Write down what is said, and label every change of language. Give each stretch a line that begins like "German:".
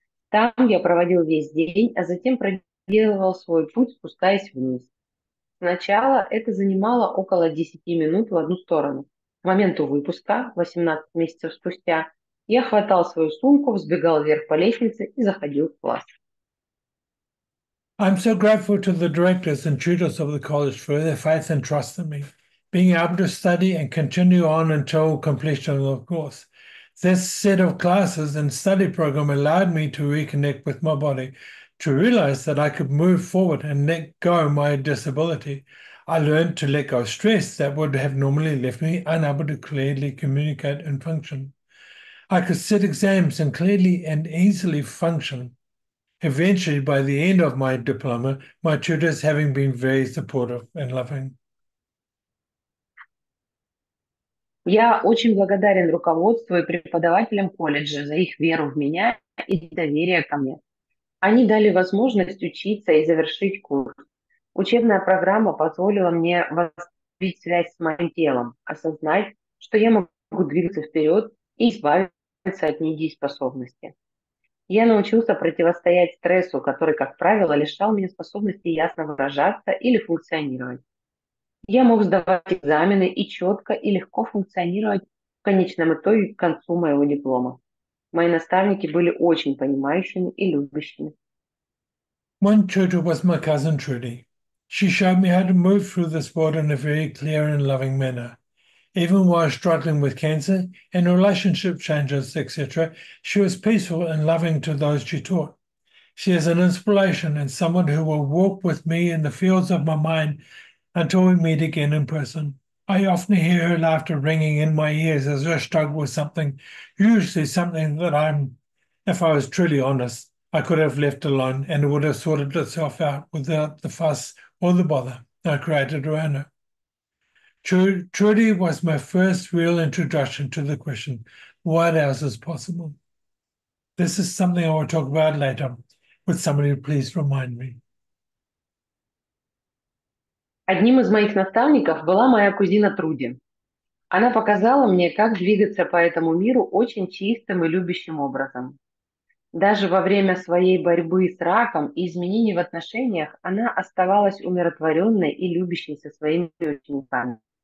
Russian: Там я проводил весь день, а затем проделывал свой путь, спускаясь вниз. Сначала это занимало около 10 минут в одну сторону. К моменту выпуска, 18 месяцев спустя, я хватал свою сумку, взбегал вверх по лестнице и заходил в класс.
English: I'm so grateful to the directors and tutors of the college for their faith and trust in me, being able to study and continue on until completion of the course. This set of classes and study program allowed me to reconnect with my body, to realize that I could move forward and let go of my disability. I learned to let go of stress that would have normally left me unable to clearly communicate and function. I could sit exams and clearly and easily function. Eventually, by the end of my diploma, my tutors having been very supportive and loving.
Russian: Я очень благодарен руководству и преподавателям колледжа за их веру в меня и доверие ко мне. Они дали возможность учиться и завершить курс. Учебная программа позволила мне восстановить связь с моим телом, осознать, что я могу двигаться вперед и избавиться от недееспособности. Я научился противостоять стрессу, который, как правило, лишал меня способности ясно выражаться или функционировать. Я мог сдавать экзамены и четко и легко функционировать в конечном итоге к концу моего диплома. Мои наставники были очень понимающими и любящими.
English: One tutor was my cousin Trudy. She showed me how to move through this world in a very clear and loving manner. Even while struggling with cancer and relationship changes, etc., she was peaceful and loving to those she taught. She is an inspiration and someone who will walk with me in the fields of my mind until we meet again in person. I often hear her laughter ringing in my ears as I struggle with something, usually something that I'm, if I was truly honest, I could have left alone and it would have sorted itself out without the fuss or the bother I created around her. Trudy was my first real introduction to the question, what else is possible? This is something I will talk about later with somebody who please remind me.
Russian: Одним из моих наставников была моя кузина Труди. Она показала мне, как двигаться по этому миру очень чистым и любящим образом. Даже во время своей борьбы с раком и изменений в отношениях она оставалась умиротворенной и любящей со своими учениками.